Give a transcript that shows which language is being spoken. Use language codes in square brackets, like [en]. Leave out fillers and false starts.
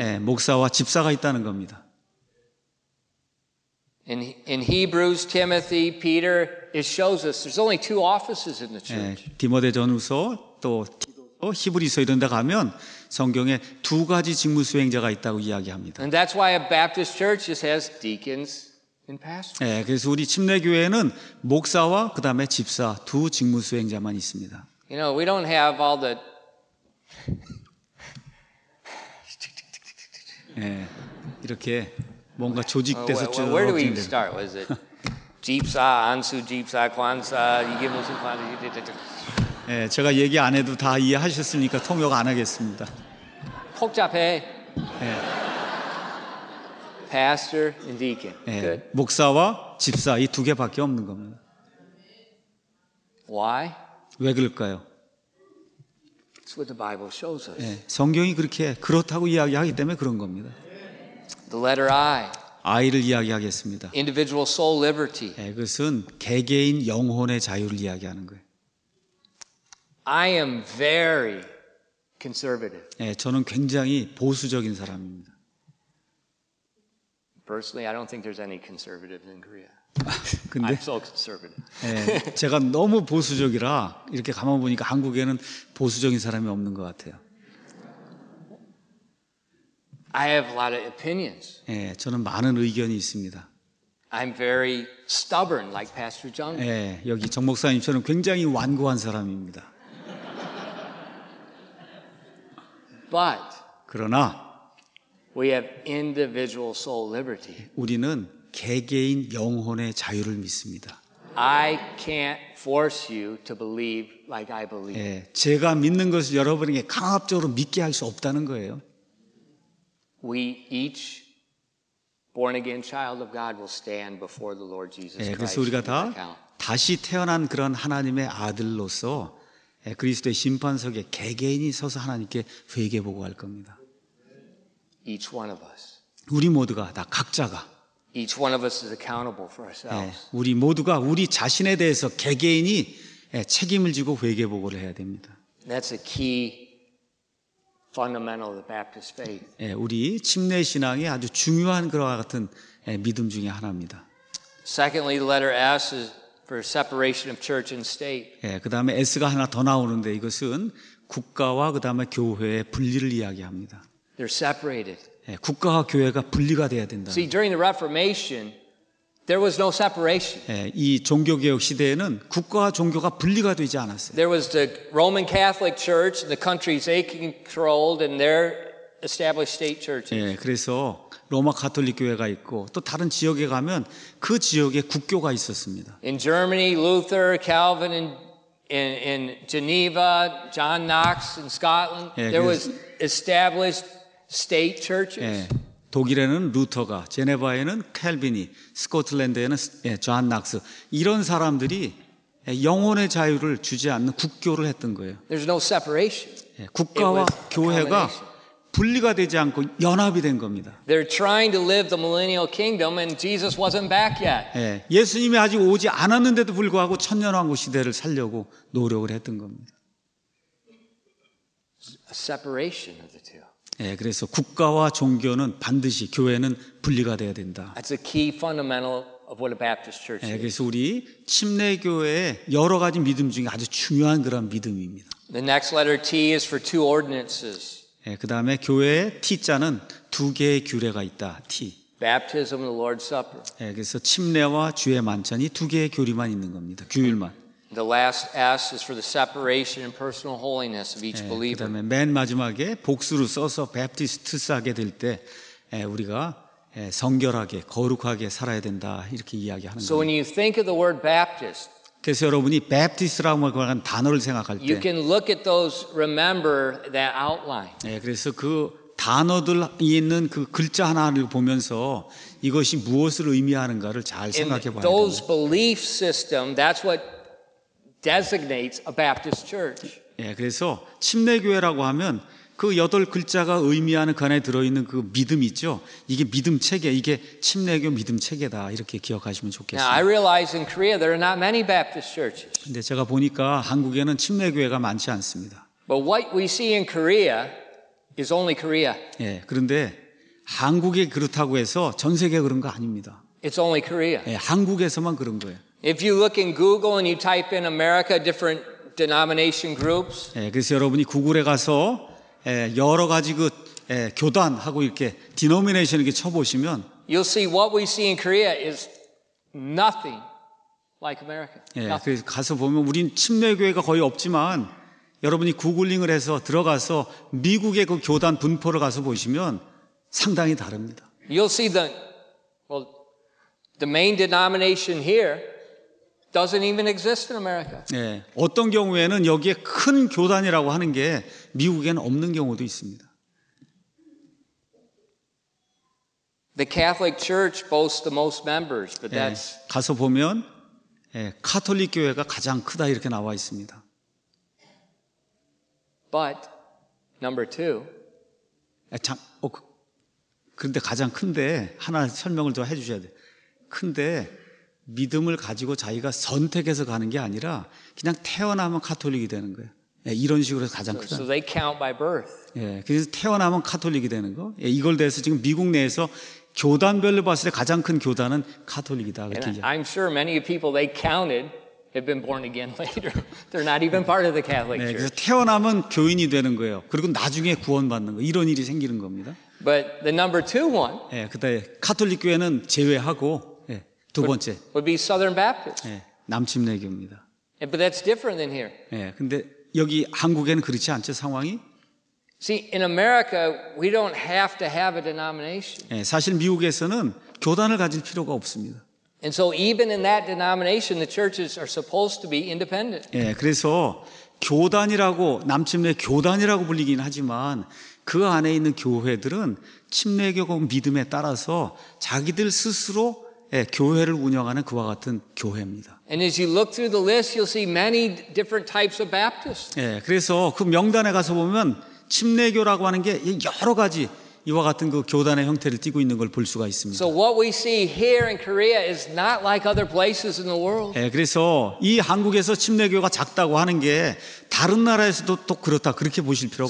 [ko] 예, 목사와 집사가 있다는 겁니다. [en] In Hebrews, Timothy, Peter, it shows us there's only two offices in the church. [ko] 네, 디모데전서 또 기도서 히브리서 이런 데 가면 성경에 두 가지 직무 수행자가 있다고 이야기합니다. [en] And that's why a Baptist church just has deacons and pastors. [ko] 네, 그래서 우리 침례 교회는 목사와 그다음에 집사 두 직무 수행자만 있습니다. [en] You know, we don't have all the [ko] 예, 네, 이렇게 뭔가 조직돼서 쭉. [en] Where do we even start? Was it Jeepsa, Ansu Jeepsa, Kwansa, Yigimusu Kwansa? [ko] 예, 제가 얘기 안 해도 다 이해하셨으니까 통역 안 하겠습니다. 복잡해. 예. 네. [en] Pastor and deacon. [ko] 네, 목사와 집사 이 두 개밖에 없는 겁니다. [en] Why? [ko] 왜 그럴까요? [en] That's what the Bible shows us. [ko] 네, 성경이 그렇게 그렇다고 이야기하기 때문에 그런 겁니다. [en] The letter I. [ko] I를 이야기하겠습니다. [en] Individual soul liberty. [ko] 네, 그것은 개개인 영혼의 자유를 이야기하는 거예요. [en] I am very conservative. [ko] 네, 저는 굉장히 보수적인 사람입니다. [en] Personally, I don't think there's any conservatives in Korea. [ko] 근데, [en] I'm so conservative. [ko] 네, 제가 너무 보수적이라 이렇게 가만 보니까 한국에는 보수적인 사람이 없는 것 같아요. [en] I have a lot of opinions. [ko] 네, 저는 많은 의견이 있습니다. [en] I'm very stubborn, like Pastor John. [ko] 네, 여기 정 목사님처럼 굉장히 완고한 사람입니다. [en] But [ko] 그러나 [en] we have individual soul liberty. [ko] 우리는 개개인 영혼의 자유를 믿습니다. [en] I can't force you to believe like I believe. [ko] 예, 제가 믿는 것을 여러분에게 강압적으로 믿게 할 수 없다는 거예요. [en] We each born again child of God will stand before the Lord Jesus Christ. [ko] 예, 그래서 우리가 다 다시 태어난 그런 하나님의 아들로서 예, 그리스도의 심판석에 개개인이 서서 하나님께 회개 보고할 겁니다. [en] Each one of us. [ko] 우리 모두가 다 각자가 [en] Each one of us is accountable for ourselves. [ko] 네, 우리 모두가 우리 자신에 대해서 개개인이 책임을 지고 회개 보고를 해야 됩니다. [en] That's a key fundamental of the Baptist faith. [ko] 네, 우리 침례 신앙의 아주 중요한 그와 같은 믿음 중에 하나입니다. [en] Secondly, the letter S is for separation of church and state. [ko] 네, 그 다음에 S가 하나 더 나오는데 이것은 국가와 그 다음에 교회의 분리를 이야기합니다. [en] They're separated. [ko] 예, 국가와 교회가 분리가 돼야 된다. [en] See, during the Reformation, there was no separation. [ko] 예, 이 종교개혁 시대에는 국가와 종교가 분리가 되지 않았어요. [en] There was the Roman Catholic Church, the countries they controlled, and their established state churches. [ko] 예, 그래서 로마 가톨릭 교회가 있고 또 다른 지역에 가면 그 지역의 국교가 있었습니다. [en] In Germany, Luther, Calvin, in Geneva, John Knox in Scotland, there was established State churches. [ko] 예, 독일에는 루터가, 제네바에는 켈빈이, 스코틀랜드에는 존 낙스 이런 사람들이 영혼의 자유를 주지 않는 국교를 했던 거예요. [en] There's no separation. [ko] 예, 국가와 교회가 분리가 되지 않고 연합이 된 겁니다. [en] They're trying to live the millennial kingdom, and Jesus wasn't back yet. [ko] 예, 예수님이 아직 오지 않았는데도 불구하고 천년왕국 시대를 살려고 노력을 했던 겁니다. [en] A separation of the two. [ko] 예, 그래서 국가와 종교는 반드시 교회는 분리가 돼야 된다. [en] That's a key fundamental of what a Baptist church is. [ko] 예, 그래서 우리 침례교회의 여러 가지 믿음 중에 아주 중요한 그런 믿음입니다. [en] The next letter T is for two ordinances. [ko] 예, 그다음에 교회의 T자는 두 개의 규례가 있다. [en] T. Baptism and the Lord's Supper. [ko] 예, 그래서 침례와 주의 만찬이 두 개의 교리만 있는 겁니다. 규율만. [en] The last S is for the separation and personal holiness of each believer. [ko] 그 다음에 맨 마지막에 복수로 써서 베프티스트스하게 될 때 우리가 성결하게 거룩하게 살아야 된다 이렇게 이야기하는 거예요. [en] So when you think of the word Baptist, [ko] 그래서 여러분이 Baptist라고 하는 단어를 생각할 때 [en] you can look at those, remember that outline. [ko] 네, 그래서 그 단어들 있는 그 글자 하나를 보면서 이것이 무엇을 의미하는가를 잘 생각해 봐야 돼요. [en] Those belief system, that's what designates a Baptist church. [ko] 예, 그래서 침례교회라고 하면 그 여덟 글자가 의미하는 그 안에 들어 있는 그 믿음 있죠. 이게 믿음 체계, 이게 침례교 믿음 체계다. 이렇게 기억하시면 좋겠어요. [en] Now, I realize in Korea there are not many Baptist churches. [ko] 근데 제가 보니까 한국에는 침례교회가 많지 않습니다. [en] But what we see in Korea is only Korea. [ko] 예, 그런데 한국이 그렇다고 해서 전 세계 그런 거 아닙니다. [en] It's only Korea. [ko] 예, 한국에서만 그런 거예요. [en] If you look in Google and you type in America different denomination groups. [ko] 예, 그래서 여러분이 구글에 가서 예, 여러 가지 그 예, 교단하고 이렇게 denomination 이렇게 쳐 보시면 [en] you'll see what we see in Korea is nothing like America. [ko] 예, 그래서 가서 보면 우린 침례교회가 거의 없지만 여러분이 구글링을 해서 들어가서 미국의 그 교단 분포를 가서 보시면 상당히 다릅니다. [en] You'll see the well the main denomination here doesn't even exist in America. [ko] 예. 어떤 경우에는 여기에 큰 교단이라고 하는 게 미국에는 없는 경우도 있습니다. [en] The Catholic Church boasts the most members, but that's [ko] 예, 가서 보면 예, 가톨릭 교회가 가장 크다 이렇게 나와 있습니다. [en] But number two. [ko] 예, 참, 어, 그런데 가장 큰데 하나 설명을 더 해 주셔야 돼. 큰데 믿음을 가지고 자기가 선택해서 가는 게 아니라 그냥 태어나면 가톨릭이 되는 거예요. 예, 이런 식으로 가장 크다. [en] So they count by birth. [ko] 예, 그래서 태어나면 가톨릭이 되는 거. 예, 이걸 대해서 지금 미국 내에서 교단별로 봤을 때 가장 큰 교단은 가톨릭이다. [en] I'm sure many people they counted have been born again later. They're not even part of the Catholic Church. [ko] 네, 그래서 태어나면 교인이 되는 거예요. 그리고 나중에 구원받는 거 이런 일이 생기는 겁니다. [en] But the number two one. [ko] 예, 그다음에 가톨릭 교회는 제외하고 예, 두 번째. [en] Would be Southern Baptist. [ko] 예, 남침례교입니다. [en] Yeah, but that's different than here. [ko] 예, 근데 여기 한국에는 그렇지 않죠 상황이? [en] See, in America, we don't have to have a denomination. [ko] 예, 사실 미국에서는 교단을 가질 필요가 없습니다. [en] And so, even in that denomination, the churches are supposed to be independent. [ko] 예, 그래서 교단이라고 남침례 교단이라고 불리긴 하지만 그 안에 있는 교회들은 침례교고 믿음에 따라서 자기들 스스로 예, 교회를 운영하는 그와 같은 교회입니다. [en] And as you look through the list, you'll see many different types of Baptists. [ko] 예, 그래서 그 명단에 가서 보면 침례교라고 하는 게 여러 가지 이와 같은 그 교단의 형태를 띠고 있는 걸 볼 수가 있습니다. [en] So what we see here in Korea is not like other places in the world. [ko] 예, 그래서 이 한국에서 침례교가 작다고 하는 게 다른 나라에서도 또 그렇다 그렇게 보실 필요가